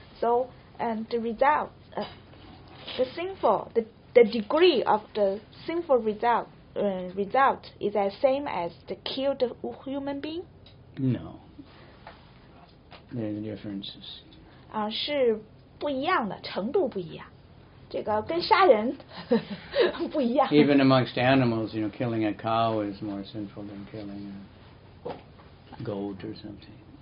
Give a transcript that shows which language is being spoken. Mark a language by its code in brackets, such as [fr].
[en] So, and the result, the sinful, the degree of the sinful result is the same as the killed human being? No. There are differences. [zh] 是不一样的，程度不一样，这个跟杀人不一样。 [en] Even amongst animals, you know, killing a cow is more sinful than killing a goat or something.